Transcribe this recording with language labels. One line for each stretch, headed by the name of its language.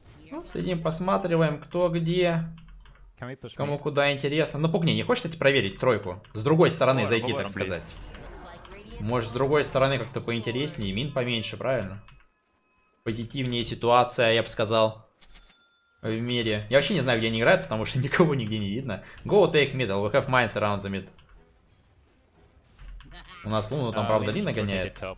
Russian: Ну, следим, посматриваем, кто где. Кому куда интересно. Ну, пугни, не хочешь, кстати, проверить тройку? С другой стороны зайти, так сказать. Может, с другой стороны как-то поинтереснее, мин поменьше, правильно? Позитивнее ситуация, я бы сказал. В мире. Я вообще не знаю, где они играют, потому что никого нигде не видно.
English: Go take middle, we have mines around the mid.
Russian: У нас луну там, правда, Лина гоняет.